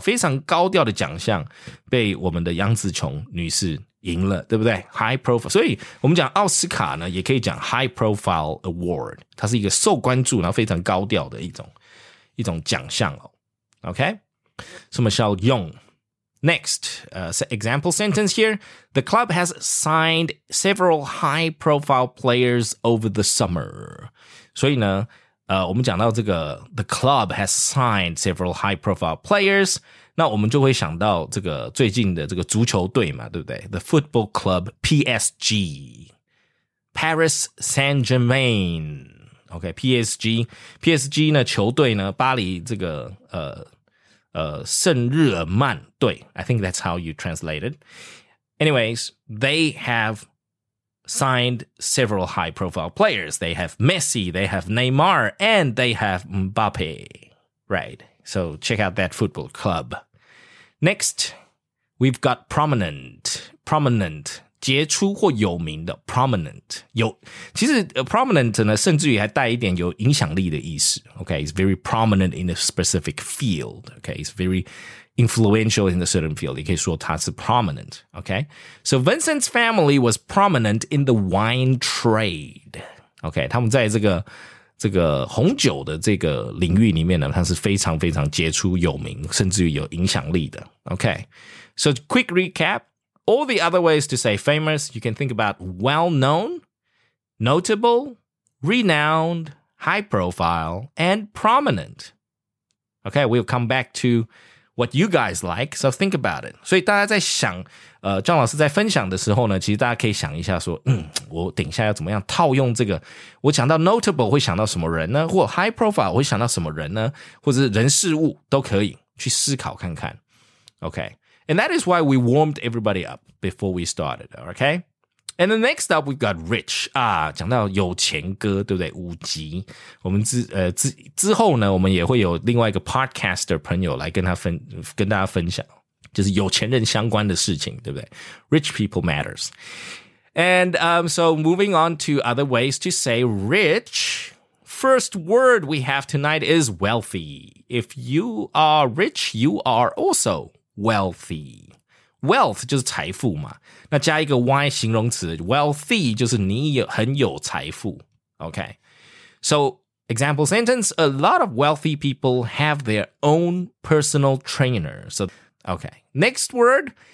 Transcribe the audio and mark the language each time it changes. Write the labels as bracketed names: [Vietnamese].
[Chinese] 非常高调的奖项被我们的杨紫琼女士赢了，对不对 ？High profile， 所以我们讲奥斯卡呢，也可以讲 [English] high profile award， [Chinese] 它是一个受关注然后非常高调的一种奖项哦。 [English] OK， so Michelle Yeoh. Next, example sentence here: The club has signed several high profile players over the summer. [Chinese] 所以呢，我们讲到这个 [English] the club has signed several high profile players。 [Chinese] 那我们就会想到这个最近的这个足球队嘛，对不对 ？ [English] The football club PSG, Paris Saint-Germain. [Chinese] Okay, PSG 呢球队呢，巴黎这个圣日耳曼队。 [English] I think that's how you translate it. Anyways, they have signed several high-profile players. They have Messi, they have Neymar, and they have Mbappe. Right. So check out that football club. Next, we've got prominent, [Chinese] 杰出或有名的 [English] prominent, [Chinese] 有其实 prominent 呢甚至于还带一点有影响力的意思 [English] okay, it's very prominent in a specific field, okay, it's very influential in a certain field, [Chinese] 你可以说它是 prominent, okay, [English] so Vincent's family was prominent in the wine trade, [Chinese] okay, 他们在这个红酒的这个领域里面呢，它是非常非常杰出有名，甚至于有影响力的。 [English] Okay, so quick recap: all the other ways to say famous, you can think about well-known, notable, renowned, high-profile, and prominent. Okay, we'll come back to what you guys like. So think about it. [Chinese] 所以大家在想，John 老师在分享的时候呢，其实大家可以想一下说，我等一下要怎么样套用这个，我想到 notable 会想到什么人呢，或 high profile 会想到什么人呢，或者是人事物都可以去思考看看。 [English] Okay, and that is why we warmed everybody up before we started, okay? And then next up, we've got Rich. [Chinese] 啊，讲到有钱哥，对不对？五集。我们之后呢，我们也会有另外一个 podcaster 朋友来跟大家分享，就是有钱人相关的事情，对不对？ [English] Rich people matters. And, so moving on to other ways to say rich. First word we have tonight is wealthy. If you are rich, you are also wealthy. [Chinese] Wealth 就是财富嘛，那加一个 Y 形容词 Wealthy 就是你有很有财富 OK [English] So example sentence A lot of wealthy people have their own personal trainer So OK Next word